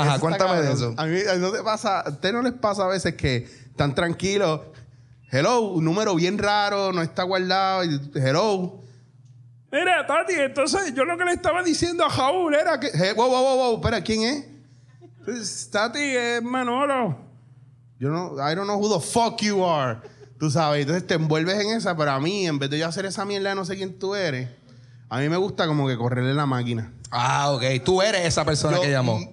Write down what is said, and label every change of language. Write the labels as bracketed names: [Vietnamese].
[Spanish] Ajá, cuéntame de eso. A mí no te pasa... ¿A usted no les pasa a veces que están tranquilos... Hello, un número bien raro, no está guardado. [English] Hello. [Spanish] Mira, Tati, entonces yo lo que le estaba diciendo a Raúl era que... Wow, espera, ¿quién es? Pues, Tati, es Manolo. [English] I don't know who the fuck you are. [Spanish] Tú sabes, entonces te envuelves en esa, pero a mí, en vez de yo hacer esa mierda de no sé quién tú eres, a mí me gusta como que correrle la máquina. Ah, ok, tú eres esa persona que llamó.